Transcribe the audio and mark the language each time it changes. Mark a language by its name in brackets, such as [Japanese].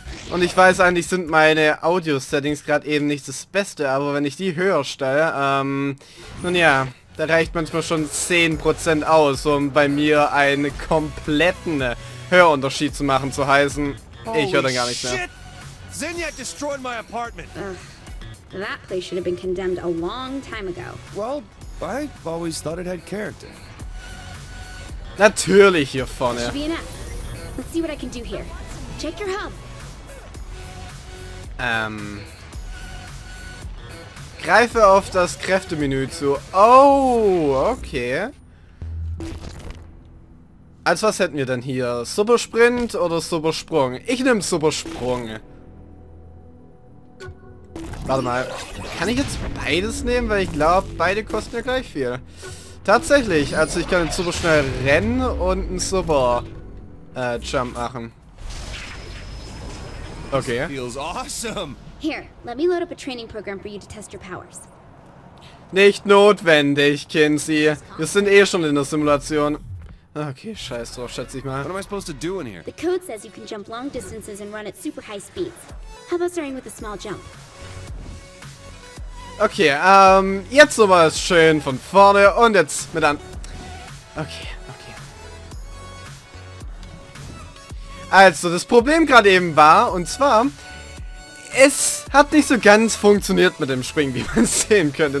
[German] Und ich weiß eigentlich, sind meine Audio-Settings gerade eben nicht das Beste, aber wenn ich die höher stelle, nun ja, da reicht manchmal schon 10% aus, um bei mir einen kompletten Hörunterschied zu machen, zu heißen, ich höre dann gar nicht mehr. [English] Zinyak destroyed my apartment. That place should have been condemned a long time ago. Well, I always thought it had character. [German] Natürlich hier vorne. [English] Let's see what I can do here. Check your hub. [German] Greife auf das Kräftemenü zu. Oh, okay. Also was hätten wir denn hier? Supersprint oder Supersprung? Ich nehme Supersprung. Warte mal. Kann ich jetzt beides nehmen? Weil ich glaube, beide kosten ja gleich viel. Tatsächlich, also ich kann super schnell rennen und einen super Jump machen. Okay. [English] This feels awesome. Here, let me load up a training program for you to test your powers. [German] Nicht notwendig, Kinsey. Wir sind eh schon in der Simulation. Okay, scheiß drauf, schätze ich mal. [English] What am I supposed to do in here? The code says you can jump long distances and run at super high speeds. How about starting with a small jump? [German] Okay, jetzt nochmal schön von vorne und jetzt mit an. Okay. Also, das Problem gerade eben war, und zwar, es hat nicht so ganz funktioniert mit dem Springen, wie man es sehen könnte.